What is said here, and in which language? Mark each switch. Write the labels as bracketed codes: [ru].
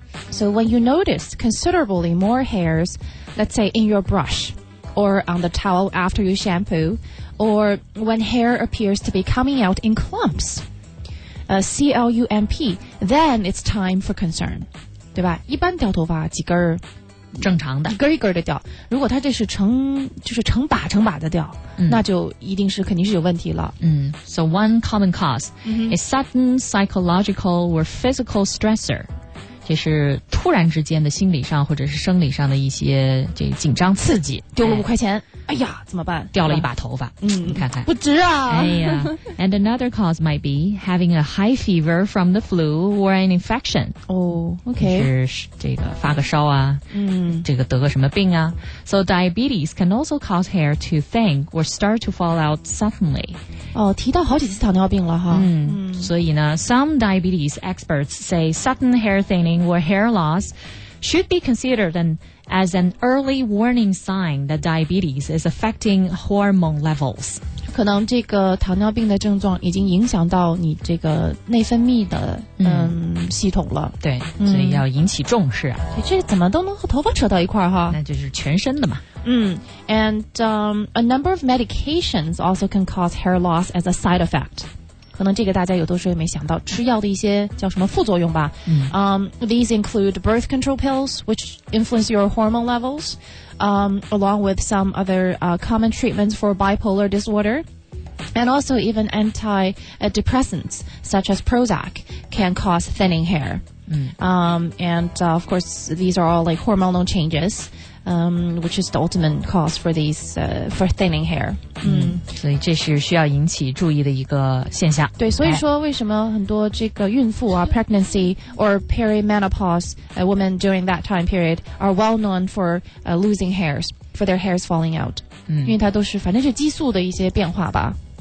[en] So when you notice considerably more hairs, let's say in your brush, or on the towel after you shampoo, or when hair appears to be coming out in clumps,C-L-U-M-P, then it's time for concern. [zh] 对吧，一般掉头发几根正常的，一根一根的掉。如果它这是成，就是成把成把的掉，那就一定是肯定是有问题了。 [en] So one common cause is sudden psychological or physical stressor. [zh] 这是突然之间的心理上或者是生理上的一些这紧张刺激。丢了5块钱。哎呀怎么办，掉了一把头发。你看看不值啊。哎呀。 [en] And another cause might be having a high fever from the flu or an infection. Oh, okay. [zh] 就是这个发个烧啊，这个得个什么病啊。 [en] So diabetes can also cause hair to thin or start to fall out suddenly. [zh] 哦，提到好几次糖尿病了哈。所以呢 [en] some diabetes experts say sudden hair thinning or hair loss should be considered as an early warning sign that diabetes is affecting hormone levels. [zh] 可能这个糖尿病的症状已经影响到你这个内分泌的系统了。对，所以要引起重视啊。这怎么都能和头发扯到一块儿哈？那就是全身的嘛。 [en] A number of medications also can cause hair loss as a side effect. [zh] 可能这个大家有多少也没想到，吃药的一些叫什么副作用吧。 [en] These include birth control pills, which influence your hormone levels, along with some other common treatments for bipolar disorder, and also even antidepressants such as Prozac can cause thinning hair. Of course, these are all like hormonal changes. Which is the ultimate cause for these for thinning hair. [zh] 所以这是需要引起注意的一个现象。对，所以说为什么很多这个孕妇啊 [en] pregnancy or perimenopause women during that time period are well known for losing hairs, for their hairs falling out. [zh] 因为它都是反正是激素的一些变化吧。